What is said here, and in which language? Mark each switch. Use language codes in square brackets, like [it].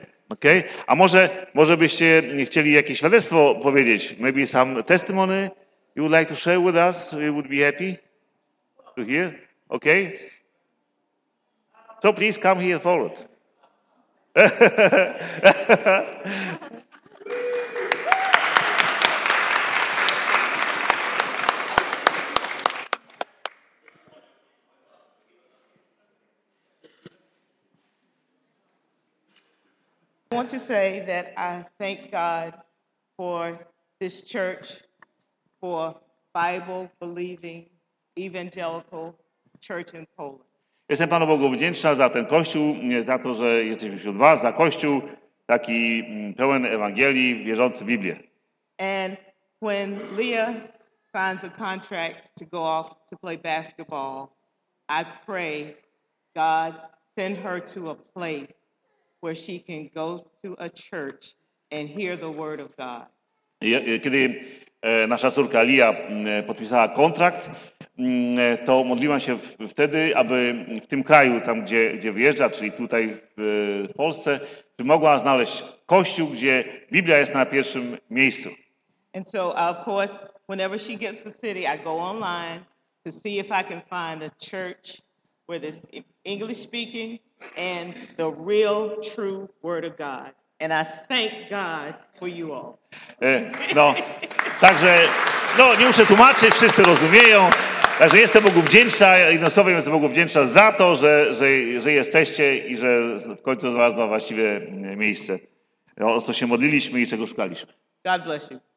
[pl] Okej, okay. A może byście chcieli jakieś świadectwo powiedzieć? [en] Maybe some testimony you would like to share with us, we would be happy to hear, okej? Okay. So please come here forward. I want to say that I thank God for this church, for Bible-believing evangelical church in Poland. [pl] Jestem Panu Bogu wdzięczna za ten Kościół, za to, że jesteśmy wśród Was, za Kościół taki pełen Ewangelii, wierzący Biblię. [en] And when Leah signs a contract to go off to play basketball, I pray God send her to a place where she can go to a church and hear the word of God. [pl] Kiedy nasza córka Lia podpisała kontrakt, to modliłam się wtedy, aby w tym kraju, tam gdzie wyjeżdża, czyli tutaj w Polsce, by mogła znaleźć kościół, gdzie Biblia jest na pierwszym miejscu. [en] And so, of course, whenever she gets to the city, I go online to see if I can find a church where there's English speaking and the real, true word of God. And I thank God for you all. [pl] No, także, no, nie muszę tłumaczyć, wszyscy rozumieją. Także jestem Bogu wdzięczna, jednostkowo jestem Bogu wdzięczna za to, że jesteście i że w końcu znalazła właściwe miejsce, o co się modliliśmy i czego szukaliśmy. [en] God bless you.